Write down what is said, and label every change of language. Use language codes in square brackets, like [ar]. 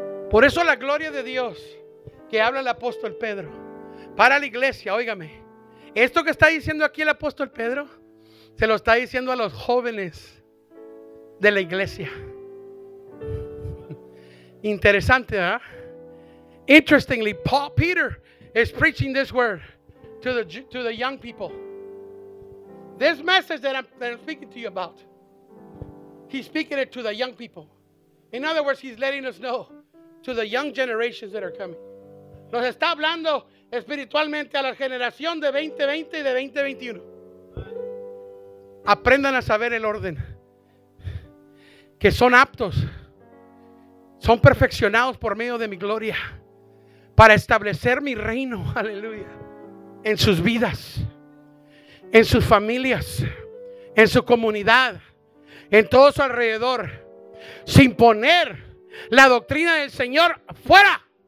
[es] Por eso la gloria de Dios que habla el apóstol Pedro para la iglesia, óigame, esto que está diciendo aquí el apóstol Pedro, se lo está diciendo a los jóvenes de la iglesia. Interesante, ¿eh? [en] Interestingly, Paul Peter is preaching this word to the young people. This message that I'm speaking to you about, he's speaking it to the young people. In other words, he's letting us know to the young generations that are coming. [es] Nos está hablando espiritualmente a la generación de 2020 y de 2021. Aprendan a saber el orden. que son aptos, son perfeccionados por medio de mi gloria para establecer mi reino, aleluya, en sus vidas, en sus familias, en su comunidad, en todo su alrededor, sin poner la doctrina del Señor fuera.